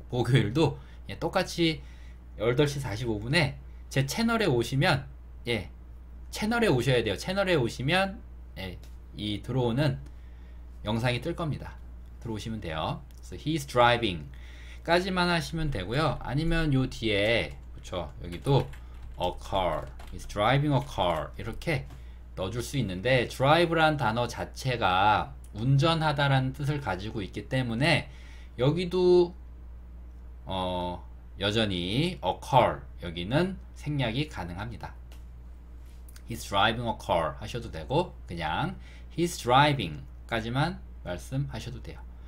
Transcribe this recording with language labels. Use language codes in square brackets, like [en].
[ko] 목요일도 예, 똑같이 8시 45분에 제 채널에 오시면 예, 채널에 오셔야 돼요. 채널에 오시면, 예, 이 들어오는 영상이 뜰 겁니다. 들어오시면 돼요. 그래서 he's driving 까지만 하시면 되고요. [en] 아니면 요 뒤에, 그쵸, 여기도 a car, he's driving a car. [ko] 이렇게 넣어줄 수 있는데, drive란 단어 자체가 운전하다라는 뜻을 가지고 있기 때문에, 여기도, 여전히 a car, 여기는 생략이 가능합니다. [en] He's driving a car 하셔도 되고 그냥 He's driving까지만 말씀하셔도 돼요.